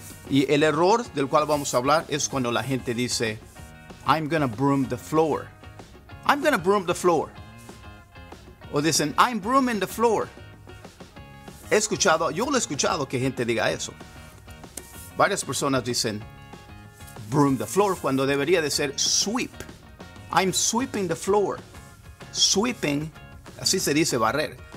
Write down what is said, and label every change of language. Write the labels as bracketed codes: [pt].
[es] Y el error del cual vamos a hablar es cuando la gente dice, [en] I'm gonna broom the floor. I'm gonna broom the floor. [es] O dicen, [en] I'm brooming the floor. [es] He escuchado, yo lo he escuchado que gente diga eso. Varias personas dicen, [en] broom the floor, [es] cuando debería de ser sweep. [en] I'm sweeping the floor. Sweeping, [es] así se dice barrer.